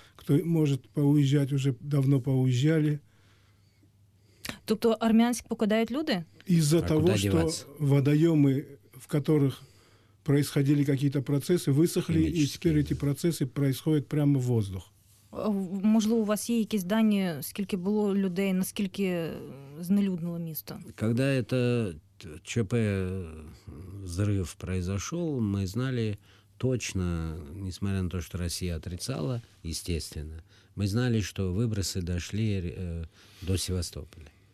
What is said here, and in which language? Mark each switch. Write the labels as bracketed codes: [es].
[ru] Кто может поуезжать, уже давно поуезжали. [uk] Тобто Армянск покидают люди? [ru] Из-за того, что водоемы, в которых происходили какие-то процессы, высохли, и теперь эти процессы происходят прямо в воздух. [uk] Можливо, у вас є якісь дані, скільки було людей, наскільки знелюднило місто? [ru] Когда это ЧП, взрыв произошел, мы знали точно, несмотря на то, что Россия отрицала, естественно, мы знали, что выбросы дошли до Севастополя.